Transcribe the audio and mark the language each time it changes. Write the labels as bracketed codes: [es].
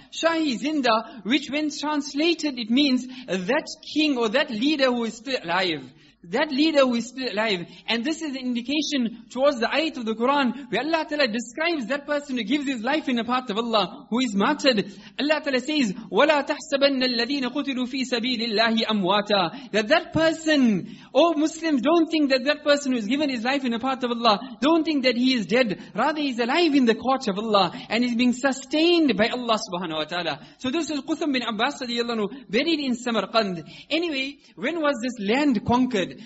[en] Shahi Zinda, which when translated, it means that king or that leader who is still alive. That leader who is still alive. And this is an indication towards the ayat of the Quran where Allah Ta'ala describes that person who gives his life in the path of Allah, who is martyred. [ar] Allah Ta'ala says, وَلَا تَحْسَبَنَّ الَّذِينَ قُتِلُوا فِي سَبِيلِ اللَّهِ أَمْوَاتًا. [en] That person, oh Muslims, don't think that person who has given his life in the path of Allah, don't think that he is dead. Rather, he is alive in the court of Allah and is being sustained by Allah subhanahu wa ta'ala. So this is Qutham bin Abbas radiallahu anhu, buried in Samarkand. Anyway, when was this land conquered?